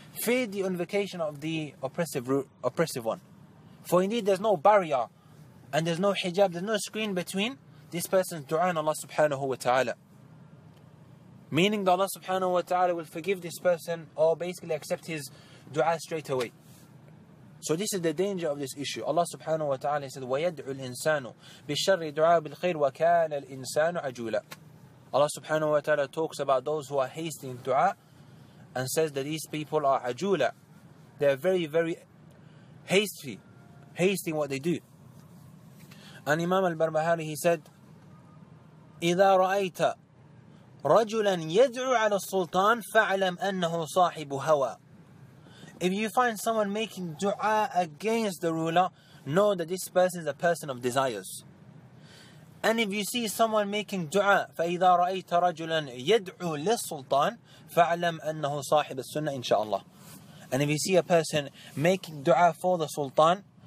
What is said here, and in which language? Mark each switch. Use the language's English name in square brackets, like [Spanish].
[English] Fear the invocation of the oppressive one. For indeed there's no barrier and there's no hijab, there's no screen between this person's dua and Allah subhanahu wa ta'ala. Meaning that Allah subhanahu wa ta'ala will forgive this person or basically accept his dua straight away. So this is the danger of this issue. Allah subhanahu wa ta'ala said, [Arabic] وَيَدْعُ الْإِنسَانُ بِالشَّرِّ دُعَى بِالْخَيْرِ وَكَانَ الْإِنسَانُ عَجُولًا. [English] Allah subhanahu wa ta'ala talks about those who are hasty in dua and says that these people are ajula. They are very, very hasty in what they do. And Imam al-Barbahari, he said, [Arabic] إِذَا رَأَيْتَ رَجُلًا يَدْعُ عَلَى السُّلْطَانِ فَعْلَمْ أَنَّهُ صَاحِبُ هَوَى. [English] If you find someone making dua against the ruler, know that this person is a person of desires. And if you see someone making dua, [Arabic] فَإِذَا رَأَيْتَ رَجُلًا يَدْعُو لِلسُّلْطَانِ فَعْلَمْ أَنَّهُ صَاحِبَ السُّنَّةِ إِنْ شَاءَ اللَّهِ. [English] And if you see a person making dua for the Sultan,